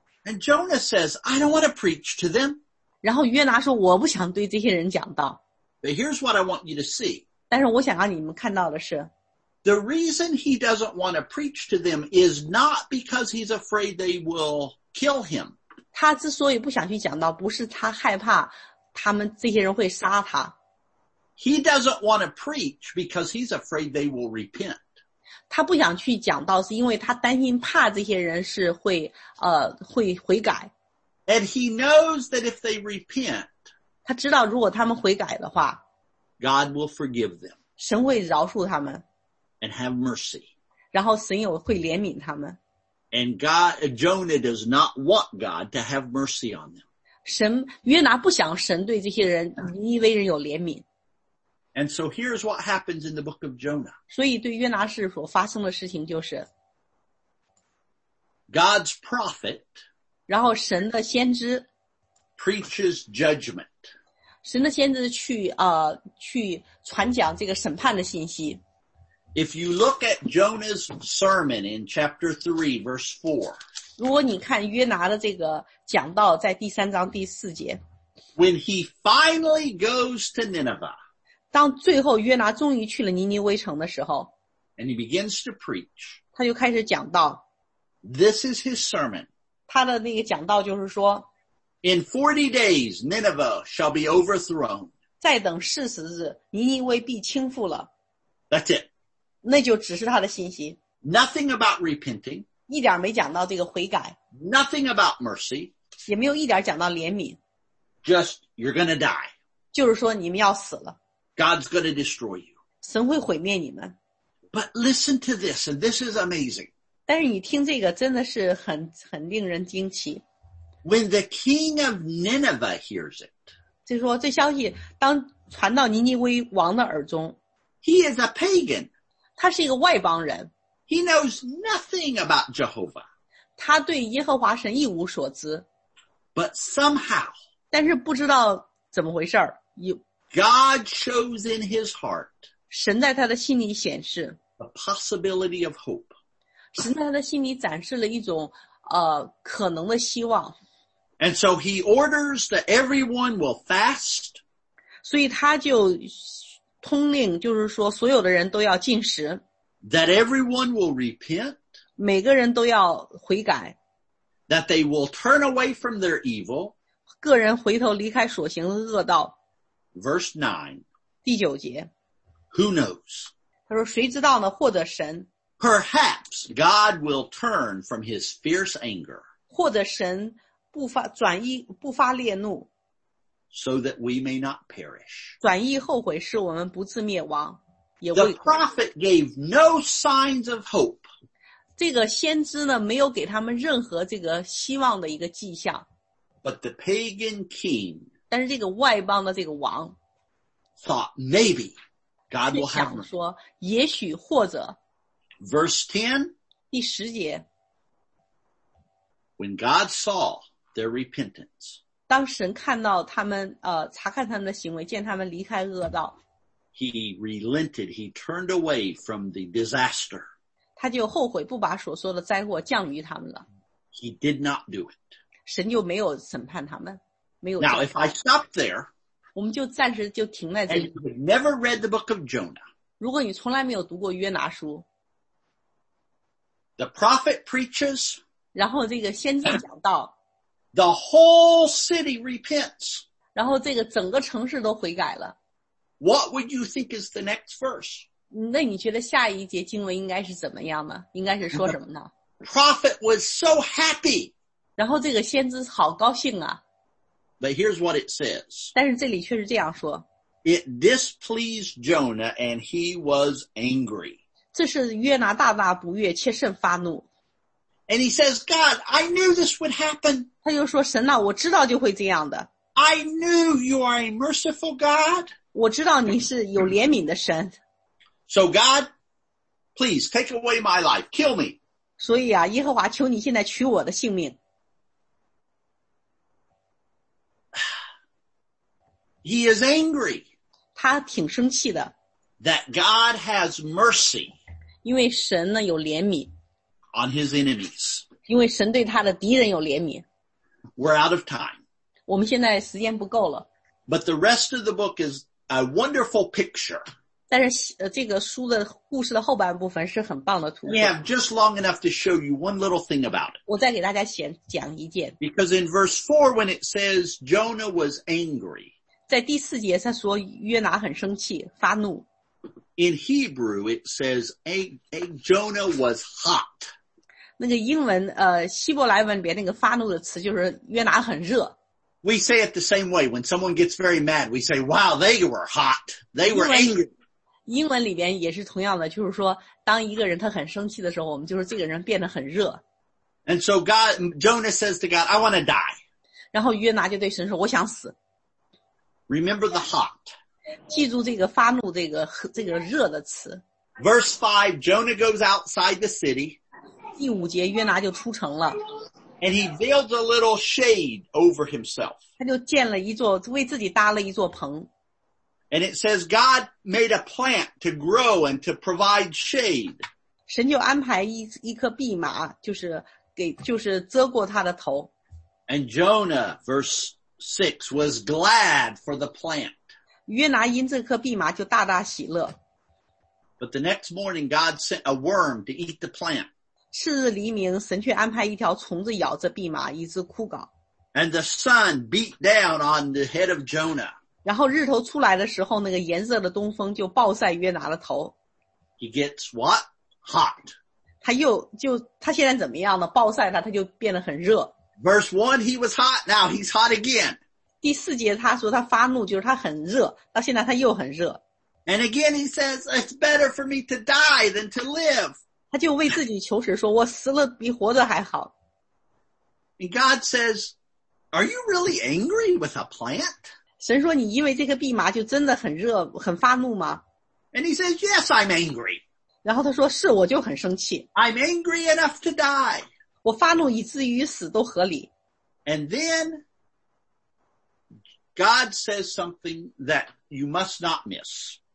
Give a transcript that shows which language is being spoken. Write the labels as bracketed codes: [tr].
[en] And Jonah says, I don't want to preach to them. [zh] 然后约拿说我不想对这些人讲道。 [en] But here's what I want you to see. [zh] 但是我想让你们看到的是。 [en] The reason he doesn't want to preach to them is not because he's afraid they will kill him. [zh] 他之所以不想去讲道不是他害怕他们这些人会杀他。 [en] He doesn't want to preach because he's afraid they will repent. [zh] 他不想去讲道是因为他担心怕这些人是会会悔改。 [en] And he knows that if they repent, [zh] 他知道如果他们悔改的话 [en] God will forgive them. [zh] 神会饶恕他们。 [en] And have mercy. [zh] 然后神也会怜悯他们。 [en] And God, Jonah does not want God to have mercy on them. [zh] 神，约拿不想神对这些人尼尼微人有怜悯。 [en] And so here's what happens in the book of Jonah. [zh] 所以对约拿是所发生的事情就是 [en] God's prophet [zh] 然后神的先知 [en] preaches judgment. [zh] 神的先知去传讲这个审判的信息。 [en] If you look at Jonah's sermon in chapter 3, verse 4. [zh] 如果你看约拿的这个讲道在第三章第四节。 [en] When he finally goes to Nineveh. [zh] 当最后约拿终于去了尼尼微城的时候。 [en] And he begins to preach. [zh] 他就开始讲道。 [en] This is his sermon. [zh] 他的那个讲道就是说。 [en] In 40 days, Nineveh shall be overthrown. [zh] 再等40日尼尼微必倾覆了。 [en] That's it. [zh] 那就只是他的信息。 [en] Nothing about repenting. [zh] 一点没讲到这个悔改。 [en] Nothing about mercy. [zh] 也没有一点讲到怜悯。 [en] Just, you're gonna die. [zh] 就是说你们要死了。 [en] God's gonna destroy you. [zh] 神会毁灭你们。 [en] But listen to this, and this is amazing. [zh] 但是你听这个真的是很令人惊奇。 [en] When the king of Nineveh hears it. [zh] 就是说这消息当传到尼尼微王的耳中。 [en] He is a pagan. [zh] 他是一个外邦人。 [en] He knows nothing about Jehovah. [zh] 他对耶和华神一无所知。 [en] But somehow. [zh] 但是不知道怎么回事儿。 [en] God shows in his heart. [zh] 神在他的心里显示。 [en] The possibility of hope. [zh] 神在他的心里展示了一种可能的希望。 [en] And so he orders that everyone will fast. [zh] 所以他就通令就是说所有的人都要禁食。 [en] That everyone will repent. [zh] 每个人都要悔改。 [en] That they will turn away from their evil. [zh] 个人回头离开所行的恶道。 [en] Verse 9. [zh] 第九节。 [en] Who knows? [zh] 他说谁知道呢或者神。 [en] Perhaps God will turn from his fierce anger. [zh] 或者神不发转意不发烈怒。 [en] So that we may not perish. [zh] 转意后悔使我们不自灭亡。 [en] The prophet gave no signs of hope. [zh] 这个先知呢没有给他们任何这个希望的一个迹象。 [en] But the pagan king. [zh] 但是这个外邦的这个王。 [en] Thought maybe God will have mercy. [zh] 想说也许或者。 [en] Verse 10. [zh] 第十节。 [en] When God saw their repentance. [zh] 当神看到他们查看他们的行为见他们离开恶道。 [en] He relented, he turned away from the disaster. [zh] 他就后悔不把所说的灾祸降于他们了。 [en] He did not do it. [zh] 神就没有审判他们。没有。 [en] Now if I stop there, [zh] 我们就暂时就停在这里。 [en] And you never read the book of Jonah. [zh] 如果你从来没有读过约拿书。 [en] The prophet preaches. [zh] 然后这个先知讲道。 [en] The whole city repents. [zh] 然后这个整个城市都悔改了。 [en] What would you think is the next verse? [zh] 那你觉得下一节经文应该是怎么样呢？应该是说什么呢？ [en] Prophet was so happy. [zh] 然后这个先知好高兴啊。 [en] But here's what it says. [zh] 但是这里却是这样说。 [en] It displeased Jonah and he was angry. [zh] 这是约拿大大不悦且甚发怒。 [en] And he says, God, I knew this would happen. [zh] 他就说神啊我知道就会这样的。 [en] I knew you are a merciful God. [zh] 我知道你是有怜悯的神。 [en] So God, please take away my life. Kill me. [zh] 所以啊，耶和华求你现在取我的性命。 [en] He is angry. [zh] 他挺生气的。 [en] That God has mercy. [zh] 因为神呢有怜悯。 [en] On his enemies. [zh] 因为神对他的敌人有怜悯。 [en] We're out of time. [zh] 我们现在时间不够了。 [en] But the rest of the book is a wonderful picture. [zh] 但是这个书的故事的后半部分是很棒的图画。 [en] We have just long enough to show you one little thing about it. [zh] 我再给大家讲一件。 [en] Because in verse 4 when it says Jonah was angry. [zh] 在第四节他说约拿很生气发怒。 [en] In Hebrew, it says, Jonah was hot. [zh] 那个英文希伯来文里面那个发怒的词就是约拿很热。 [en] We say it the same way. When someone gets very mad, we say, wow, they were hot. They were angry. [zh] 英文里面也是同样的就是说当一个人他很生气的时候我们就是这个人变得很热。 [en] And so Jonah says to God, I want to die. [zh] 然后约拿就对神说我想死。 [en] Remember the hot. [zh] 记住这个发怒这个热的词。 [en] Verse 5, Jonah goes outside the city. [zh] 第五节约拿就出城了。 [en] And he builds a little shade over himself. [zh] 他就建了一座为自己搭了一座棚。 [en] And it says God made a plant to grow and to provide shade. [zh] 神就安排一棵蓖麻就是遮过他的头。 [en] And Jonah, verse 6, was glad for the plant. [zh] 约拿因这颗蓖麻就大大喜乐。 [en] But the next morning, God sent a worm to eat the plant. [zh] 次日黎明，神却安排一条虫子咬着蓖麻，一只枯槁。 [en] And the sun beat down on the head of Jonah. [zh] 然后日头出来的时候，那个炎热的东风就暴晒约拿的头。 [en] He gets what? Hot. [zh] 他现在怎么样呢？暴晒他就变得很热。 [en] Verse 1, he was hot, now he's hot again. [zh] 第四节他说他发怒就是他很热到现在他又很热。 [en] And again he says, it's better for me to die than to live. [zh] 他就为自己求死说我死了比活着还好。 [en] And God says, are you really angry with a plant? [zh] 神说你因为这个蓖麻就真的很热很发怒吗 [en] ?And he says, yes, I'm angry. [zh] 然后他说是我就很生气。 [en] I'm angry enough to die. [zh] 我发怒以至于死都合理。 [en] And then,God says something that you must not miss.